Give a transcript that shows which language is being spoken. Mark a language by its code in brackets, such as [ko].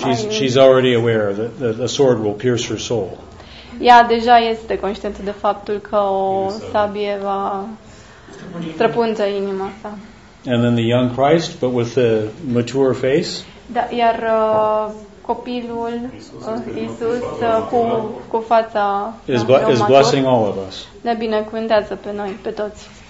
[en] She's already aware that the sword will pierce her soul. [ro] Ea deja este conștientă de faptul că o sabie va străpunge inima sa. [en] And then the young Christ, but with a mature face. [ro] Da, iar copilul Iisus cu fața [en] is blessing all of us. [ro] Ne binecuvântează pe noi, pe toți.